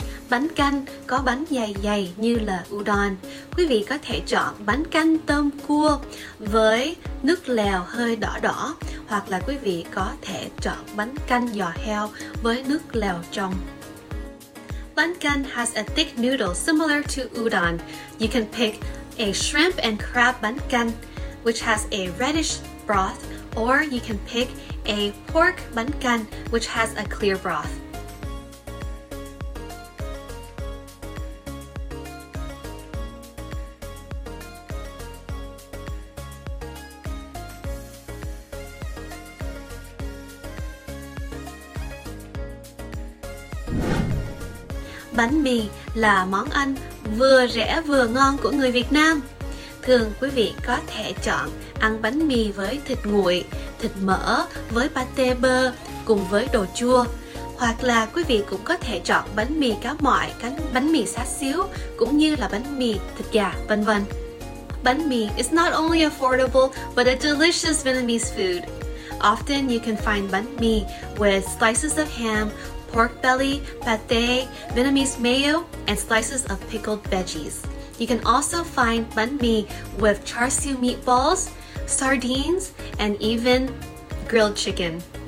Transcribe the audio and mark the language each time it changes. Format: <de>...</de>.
<vi>Bánh canh có bánh dày dày như là udon. Quý vị có thể chọn bánh canh tôm cua với nước lèo hơi đỏ đỏ, hoặc là quý vị có thể chọn bánh canh giò heo với nước lèo trong.</vi> <en>Bánh canh has a thick noodle similar to udon. You can pick a shrimp and crab bánh canh, which has a reddish broth, or you can pick a pork bánh canh, which has a clear broth.</en> <vi>Bánh mì là món ăn vừa rẻ vừa ngon của người Việt Nam. Thường quý vị có thể chọn ăn bánh mì với thịt nguội, thịt mỡ, với pate bơ, cùng với đồ chua. Hoặc là quý vị cũng có thể chọn bánh mì cá mọi, bánh mì xá xíu, cũng như là bánh mì thịt gà, v.v.</vi> <en>Bánh mì is not only affordable, but a delicious Vietnamese food. Often you can find bánh mì with slices of ham, pork belly, pate, Vietnamese mayo, and slices of pickled veggies. You can also find bánh mì with char siu meatballs, sardines, and even grilled chicken.</en>